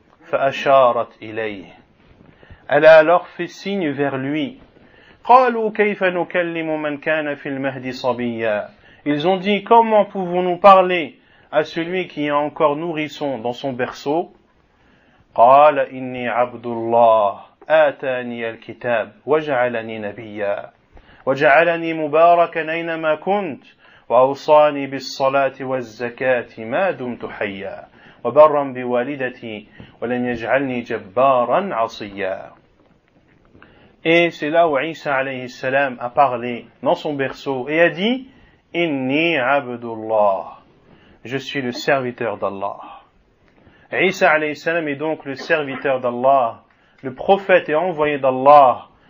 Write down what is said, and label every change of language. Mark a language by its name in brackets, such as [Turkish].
[Arabic] فَأَشَارَتْ إِلَيْهِ. [French] Elle a alors fait signe vers lui. [Arabic] قَالُوا كَيْفَ نُكَلِّمُ مَنْ كَانَ فِي الْمَهْدِ صَبِيًّا. [French] Ils ont dit, comment pouvons-nous parler à celui qui est encore nourrisson dans son berceau? [Arabic] قال إني عبد الله آتاني الكتاب وجعلني نبيا وجعلني مباركا أينما كنت وأوصاني بالصلاة والزكاة ما دمت حيا وبرا بوالدتي ولم يجعلني جبارا عصيا. [French] Et c'est là où Isa عليه السلام a parlé dans son berceau et a dit, [Arabic] إني عبد الله, [French] je suis le serviteur d'Allah. Isa alayhi salam est donc le serviteur d'Allah, le prophète et envoyé d'Allah.